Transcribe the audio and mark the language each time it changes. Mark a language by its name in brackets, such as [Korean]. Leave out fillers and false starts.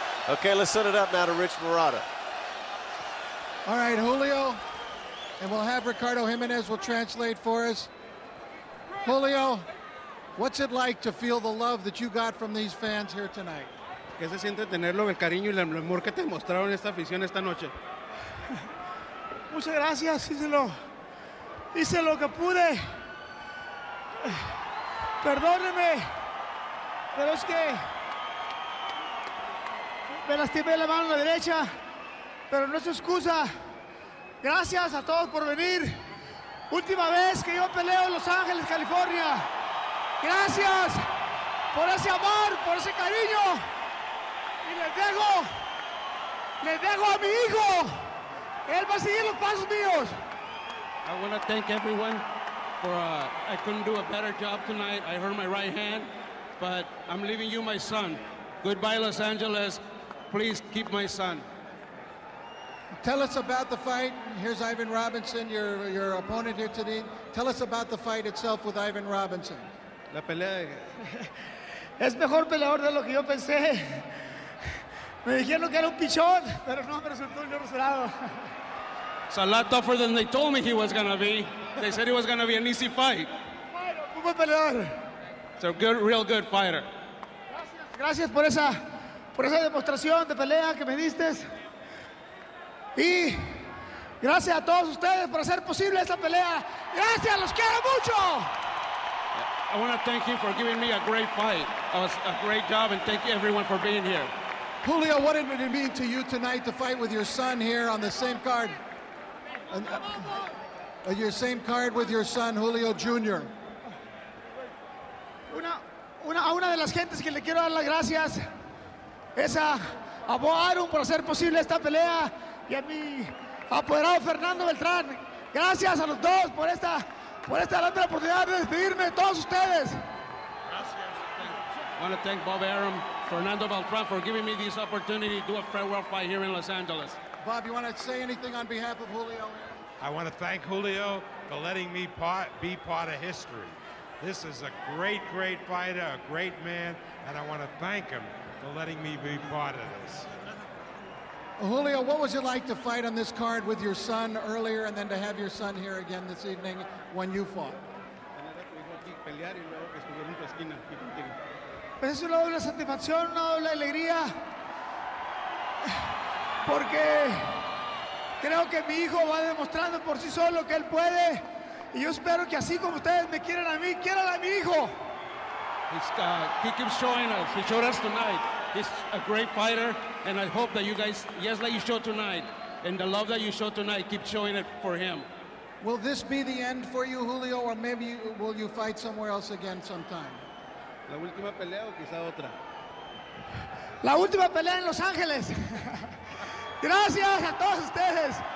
[English] Okay, let's set it up now to Rich Murata. All right, Julio, and we'll have Ricardo Jimenez will translate for us. Julio, what's it like to feel the love that you got from these fans here tonight? [Spanish] ¿Qué se siente tenerlo, el cariño y el amor que te mostraron esta afición esta noche? Muchas gracias, hice lo que pude. Perdóneme, pero es que me lastimé la mano derecha, pero no es excusa. Gracias a todos por venir. Última vez que yo peleo en Los Ángeles, California. Gracias por ese amor, por ese cariño. Le dejo a mi hijo. Él va a seguir los pasos míos. [English] I want to thank everyone for I couldn't do a better job tonight. I hurt my right hand, but I'm leaving you my son. Goodbye, Los Angeles. Please keep my son. Tell us about the fight. Here's Ivan Robinson, your opponent here today. Tell us about the fight itself with Ivan Robinson. [Spanish] La pelea. Es mejor peleador de lo que yo pensé. Me dijeron que era un pichón, pero no me resultó un resultado. [English] It's a lot tougher than they told me he was going to be. They said he was going to be an easy fight. [Spanish] Un buen peleador. [English] It's a good, real good fighter. [Spanish] Gracias por esa demostración de pelea que me diste. Y gracias a todos ustedes por hacer posible esta pelea. Gracias, los quiero mucho. [English] I want to thank you for giving me a great fight. It was a great job, and thank you everyone for being here. Julio, what did it mean to you tonight to fight with your son here on the same card? Your same card with your son, Julio Jr. [Spanish] Una de las gentes que le quiero dar las gracias es a Bo Arum por hacer posible esta pelea y a mi apoderado Fernando Beltrán. Gracias a los dos por esta gran oportunidad de despedirme de todos ustedes. Gracias. [English] I want to thank Bob Arum, Fernando Beltran, for giving me this opportunity to do a farewell fight here in Los Angeles. Bob, you want to say anything on behalf of Julio? I want to thank Julio for letting me be part of history. This is a great, great fighter, a great man, and I want to thank him for letting me be part of this. Julio, what was it like to fight on this card with your son earlier and then to have your son here again this evening when you fought? [Spanish] Es una doble satisfacción, una doble alegría, porque creo que mi hijo va demostrando por sí solo que él puede, y yo espero que así como ustedes me quieran a mí, quieran a mi hijo. [English] He keeps showing us. He showed us tonight. He's a great fighter, and I hope that you guys, yes, like you show tonight, and the love that you show tonight, keep showing it for him. Will this be the end for you, Julio, or maybe will you fight somewhere else again sometime? [Spanish] La última pelea o quizá otra. La última pelea en Los Ángeles. Gracias a todos ustedes.